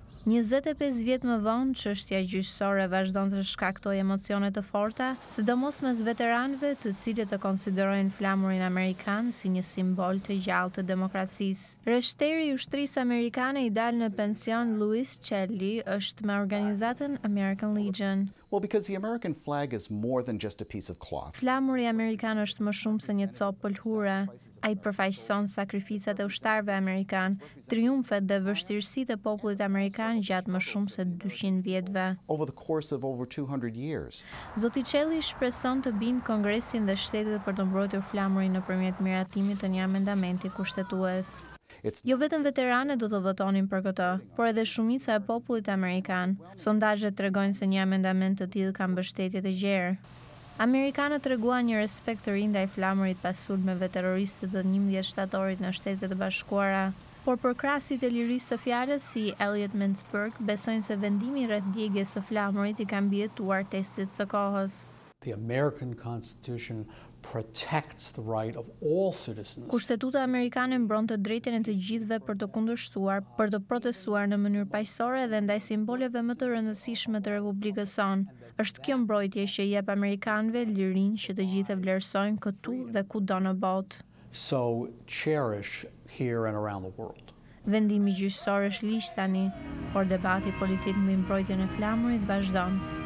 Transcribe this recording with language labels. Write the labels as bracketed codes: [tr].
[sq] 25 vjet më vonë, çështja gjyqësore vazhdon të shkaktojë emocione të forta, sidomos mes veteranëve, të cilët e konsiderojnë flamurin amerikan si një simbol të gjallë të demokracisë. Reshteri i ushtrisë amerikane i dal në pension Louis Celli është me organizatën American Legion. [en] Well, because the American flag is more than just a piece of cloth. [sq] Flamuri amerikan është më shumë se një copë pëlhure. Ai përfaqëson sakrificat e ushtarëve amerikan, triumfet dhe vështirësitë e popullit amerikan gjatë më shumë se 200 vjetëve. [en] Over the course of over 200 years. [sq] Zoti Celli shpreson të bindë Kongresin dhe shtetet për të mbrojtur flamurin nëpërmjet miratimit të një amendamenti kushtetues. Jo vetëm veteranët do të votonin për këtë, por edhe shumica e popullit amerikan. Sondazhet tregojnë se një amendament të tillë ka mbështetje të gjerë. Amerikanët treguan një respekt të ri ndaj flamurit pas sulmeve terroriste të 11 shtatorit në Shtetet e Bashkuara, por përkrasit e lirisë së fjalës si Elliot Mintzberg besojnë se vendimi rreth djegjes së flamurit i ka mbijetuar testit së kohës. [en] The American Constitution protects the right of all citizens. [sq] Kushtetuta amerikane mbron të drejtën e të gjithëve për të kundërshtuar, për të protestuar në mënyrë paqësore dhe ndaj simboleve më të rëndësishme të Republikës sonë. Është kjo mbrojtje që i jep amerikanëve lirinë që të gjithë vlerësojnë këtu dhe kudo në botë. [en] So cherish here and around the world. [sq] Vendimi gjyqësor është ligj tani, por debati politik mbi mbrojtjen e flamurit vazhdon.